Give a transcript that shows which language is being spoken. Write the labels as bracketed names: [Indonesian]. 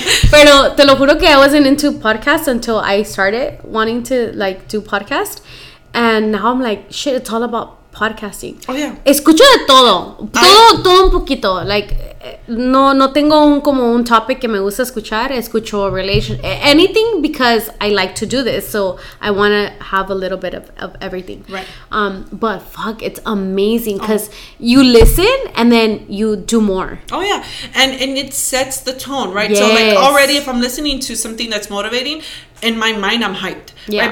[Spanish] Pero te lo juro que [English] I wasn't into podcasts until I started wanting to like do podcast, and now I'm like, shit, it's all about podcasting. Oh yeah. [Spanish] Escucho de todo un poquito. Like, no tengo un topic que me gusta escuchar. [English] Escucho anything because I like to do this, so I want to have a little bit of everything. Right. But fuck, it's amazing because you listen and then you do more. Oh yeah, and it sets the tone, right? Yes. So like already, if I'm listening to something that's motivating, in my mind I'm hyped, right?